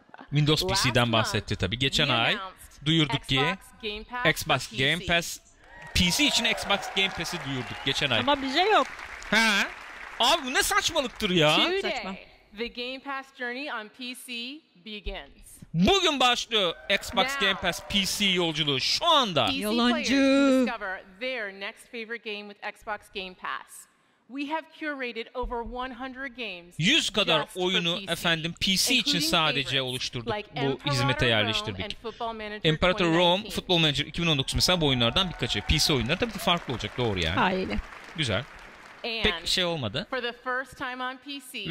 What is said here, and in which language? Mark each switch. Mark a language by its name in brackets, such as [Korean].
[Turkish] Windows PC'den bahsetti tabii. Geçen ay duyurduk ki Xbox Game Pass PC için Xbox Game Pass'i duyurduk geçen ay. Ama bize yok. Ha? Abi bu ne saçmalıktır ya? Saçma. [English] The Game Pass journey on PC begins. [Turkish] Bugün başlıyor Xbox Now, Game Pass PC yolculuğu. Şu anda. PC yalancı. [English] Discover their next favorite game with Xbox Game Pass. We have curated over 100 games. [Turkish] 100 kadar oyunu PC, efendim PC için sadece oluşturduk. Like bu hizmete yerleştirdik. Emperor Rome, Football Manager 2019 mesela bu oyunlardan birkaçı. PC oyunları tabii ki farklı olacak, doğru yani. Aynen. Güzel. Pek şey olmadı. [English] For the first time on PC,